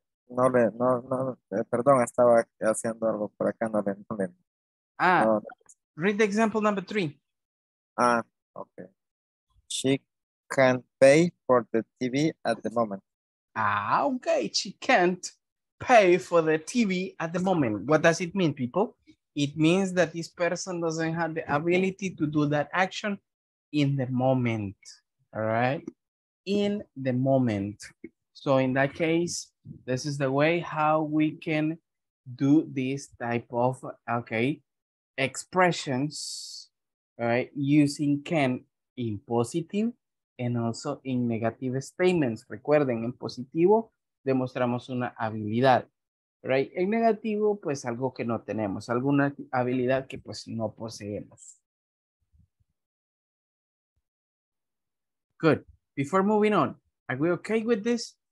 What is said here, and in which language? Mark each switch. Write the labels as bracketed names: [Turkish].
[Spanish] No le, no, no, perdón, estaba haciendo algo por acá, no le, no le. Ah, no, [English] read the example number three. Ah, okay. She can't pay for the TV at the moment. Ah, okay, she can't pay for the TV at the moment. What does it mean, people? It means that this person doesn't have the ability to do that action in the moment, all right? In the moment. So in that case, this is the way how we can do this type of, okay, expressions, all right, using can in positive and also in negative statements. [Spanish] Recuerden, en positivo, demostramos una habilidad. Right, en negativo, pues algo que no tenemos, alguna habilidad que pues no poseemos. [English] Good. Before moving on, are we okay with this?